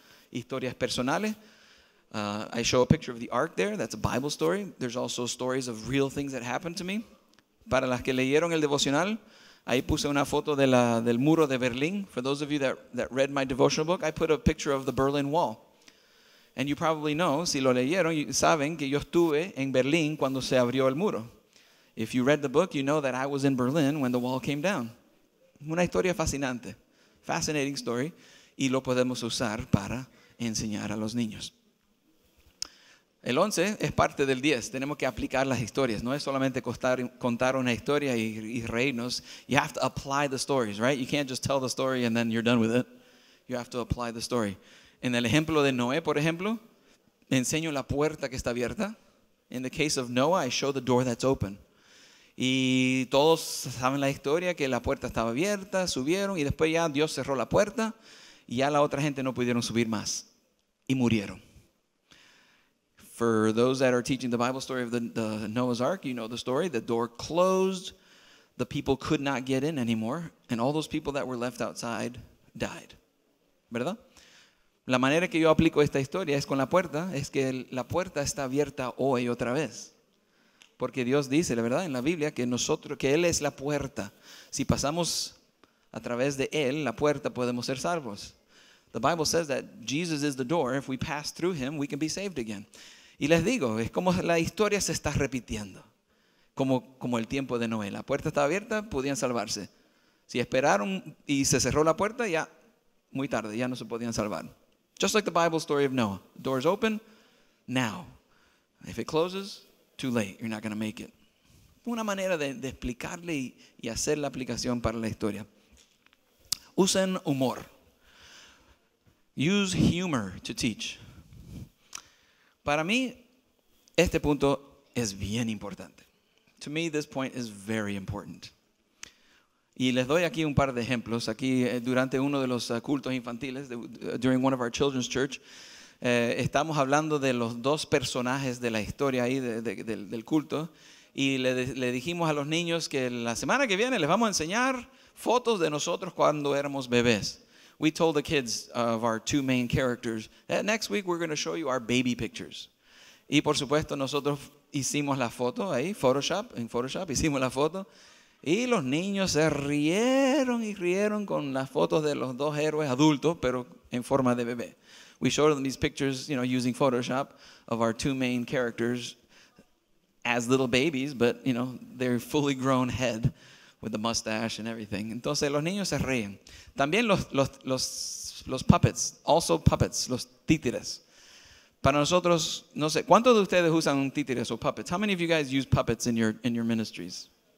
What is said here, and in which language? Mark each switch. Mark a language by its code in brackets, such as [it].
[es] Historias personales. [en] I show a picture of the ark there. That's a Bible story. There's also stories of real things that happened to me. [es] Para las que leyeron el devocional, ahí puse una foto del muro de Berlín. [en] For those of you that read my devotional book, I put a picture of the Berlin Wall. And you probably know, [es] si lo leyeron, saben que yo estuve en Berlín cuando se abrió el muro. [en] If you read the book, you know that I was in Berlin when the wall came down. [es] Una historia fascinante. [en] Fascinating story. [es] Y lo podemos usar para enseñar a los niños. El 11 es parte del 10. Tenemos que aplicar las historias. No es solamente contar una historia y reírnos. [en] You have to apply the stories, right? You can't just tell the story and then you're done with it. You have to apply the story. [es] En el ejemplo de Noé, por ejemplo, enseño la puerta que está abierta. [en] In the case of Noah, I show the door that's open. [es] Y todos saben la historia que la puerta estaba abierta, subieron y después ya Dios cerró la puerta y ya la otra gente no pudieron subir más y murieron. [en] For those that are teaching the Bible story of the Noah's Ark, you know the story. The door closed. The people could not get in anymore. And all those people that were left outside died. [es] ¿Verdad? La manera que yo aplico esta historia es con la puerta. Es que la puerta está abierta hoy otra vez. Porque Dios dice, la verdad, en la Biblia, que Él es la puerta. Si pasamos a través de Él, la puerta, podemos ser salvos. [en] The Bible says that Jesus is the door. If we pass through Him, we can be saved again. [es] Y les digo, es como la historia se está repitiendo, como el tiempo de Noé. La puerta estaba abierta, podían salvarse. Si esperaron y se cerró la puerta, ya muy tarde, ya no se podían salvar. [en] Just like the Bible story of Noah. Doors open, now. If it closes, too late, you're not going to make it. [es] Una manera de explicarle y hacer la aplicación para la historia. Usen humor. [en] Use humor to teach. [es] Para mí, este punto es bien importante. [en] To me, this point is very important. [es] Y les doy aquí un par de ejemplos. Aquí durante uno de los cultos infantiles, [en] during one of our children's church, [es] estamos hablando de los dos personajes de la historia ahí del culto. Y le dijimos a los niños que la semana que viene les vamos a enseñar fotos de nosotros cuando éramos bebés. [en] We told the kids of our two main characters that next week we're going to show you our baby pictures. [es] Y por supuesto nosotros hicimos la foto ahí, Photoshop hicimos la foto. Y los niños se rieron y rieron con las fotos de los dos héroes adultos, pero en forma de bebé. [en] We showed them these pictures, you know, using Photoshop of our two main characters as little babies, but, you know, their fully grown head with the mustache and everything. [es] Entonces, los niños se ríen. También los puppets, [en] also puppets, [es] los títeres. Para nosotros, no sé, ¿cuántos de ustedes usan títeres o puppets? [en] How many of you guys use puppets in your ministries?